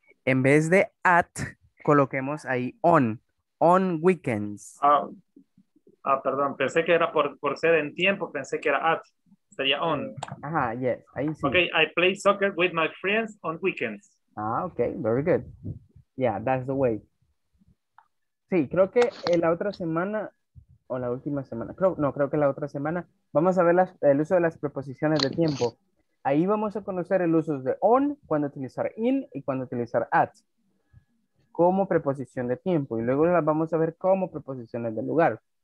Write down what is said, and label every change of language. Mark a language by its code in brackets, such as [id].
[es] En vez de at, coloquemos ahí [en] on weekends. [es] Ah, perdón, pensé que era por ser en tiempo, pensé que era at, sería on. Ajá, yes, ahí sí. [en] Okay, I play soccer with my friends on weekends. Ah, okay, very good. Yeah, that's the way. [es] Sí, creo que en la otra semana o la última semana, creo que la otra semana, vamos a ver el uso de las preposiciones de tiempo. Ahí vamos a conocer el uso de on, cuando utilizar in y cuando utilizar at como preposición de tiempo. Y luego las vamos a ver como preposiciones de lugar.